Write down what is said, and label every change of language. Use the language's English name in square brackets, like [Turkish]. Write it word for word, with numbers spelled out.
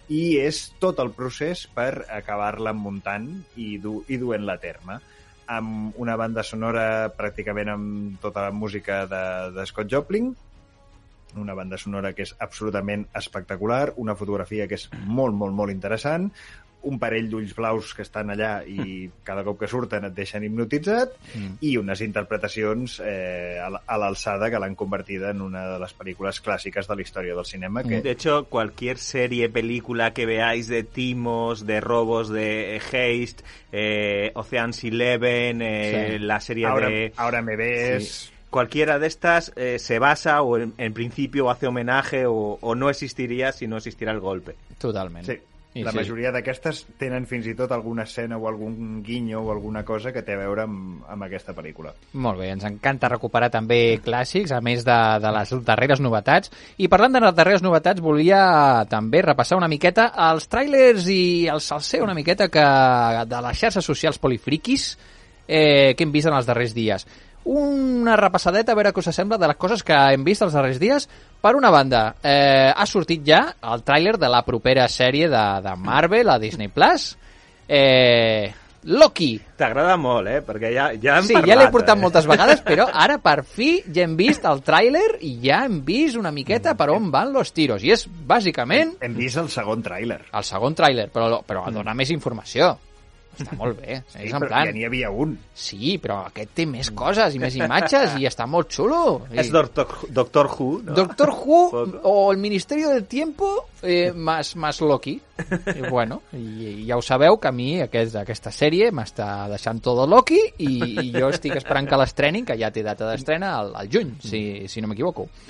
[Catalan] I és tot el procés per acabar-la muntant i, du, i duent-la a terme, amb una banda sonora pràcticament amb tota la música de, de Scott Joplin, una banda sonora que és absolutament espectacular, una fotografia que és molt, molt, molt interessant, un parell d'ulls blaus que estan allà i cada cop que surten et deixen hipnotitzat, mm. i unes interpretacions eh, a l'alçada que l'han convertida en una de les pel·lícules clàssiques de la història del cinema. Que... [Spanish] De hecho, cualquier serie, película que veáis de timos, de robos, de heist, eh, Ocean's Eleven, eh, sí. la serie ahora, de... Ahora me ves... Sí. Cualquiera de estas eh, se basa o en, en principio hace homenaje o, o no existiría si no existiera el golpe. Totalmente. [Catalan] Sí. I la sí. majoria d'aquestes tenen fins i tot alguna escena o algun guinyo o alguna cosa que té a veure amb, amb aquesta pel·lícula. Molt bé, ens encanta recuperar també clàssics, a més de, de les darreres novetats. I parlant de les darreres novetats, volia també repassar una miqueta els tràilers i el salseo una miqueta que de les xarxes socials polifriquis eh, que hem vist en els darrers dies. Una repassadeta a veure què us sembla de les coses que hem vist els darrers dies. Per una banda, eh, ha sortit ja el tràiler de la propera sèrie de, de Marvel a Disney Plus, eh, Loki. T'agrada molt, eh? Perquè ja, ja hem sí, parlat. Sí, ja l'he portat eh? moltes vegades, però ara per fi ja hem vist el tràiler i ja hem vist una miqueta per on van [Spanish] los tiros. [Catalan] I és bàsicament... Hem vist el segon tràiler. El segon tràiler, però, però a donar més informació. Està molt bé. Sí, és en plan... ja n'hi havia un. Sí, però aquest té més coses i més imatges i està molt xulo. I... És Doctor, Doctor Who, no? [Spanish] Doctor Who o el Ministerio del Tiempo eh, más, más Loki. [Catalan] I bueno, i, i ja ho sabeu que a mi aquest, aquesta sèrie m'està deixant todo Loki i, i jo estic esperant que l'estrenin, que ja té data d'estrena al, al juny, si, si no m'equivoco.